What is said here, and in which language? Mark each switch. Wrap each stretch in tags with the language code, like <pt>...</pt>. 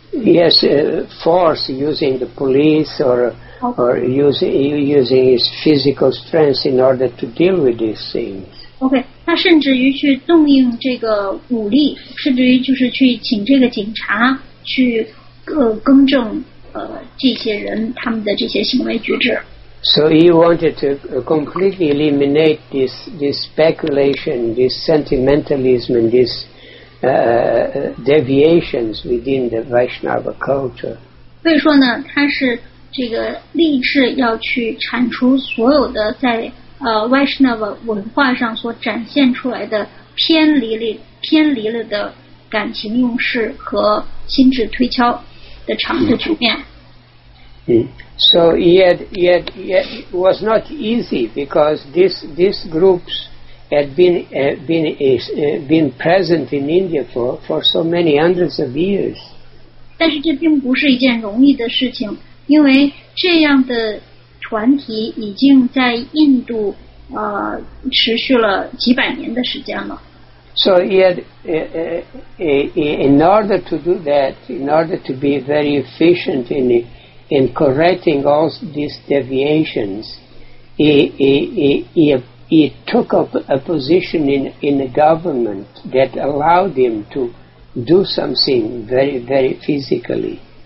<en>Yes, force, using the police or using his physical strength in order to deal with these things.</en> <zh>Okay, 他甚至于去动用这个武力，甚至于就是去请这个警察去更正这些人他们的这些行为举止。</zh> <en>So he wanted to completely eliminate this speculation, this sentimentalism, and these deviations within the Vaishnava culture.</en> <zh>所以说呢，他是这个立志要去铲除所有的在Vaishnava 文化上所展现出来的偏离了的感情用事和心智推敲的场的局面。</zh> <en>So yet it was not easy because these groups had been present in India for so many hundreds of years.</en> <zh>但是这并不是一件容易的事情，因为这样的团体已经在印度持续了几百年的时间了。</zh> <en>So yet, in order to do that, in order to be very efficient in correcting all these deviations, he took up a position in the government that allowed him to do something very, very physically.</en>